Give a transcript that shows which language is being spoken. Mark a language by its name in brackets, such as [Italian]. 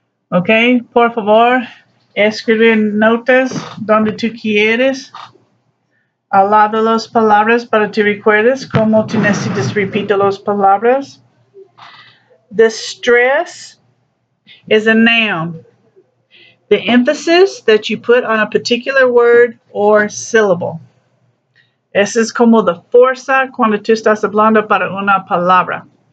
[Spanish] Okay, por favor, escribe notas donde tú quieres. Al lado de las palabras para que recuerdes cómo tú necesitas repetir las palabras. [English] The stress is a noun. The emphasis that you put on a particular word or syllable. [Spanish] Ese es como la fuerza cuando tú estás hablando para una palabra.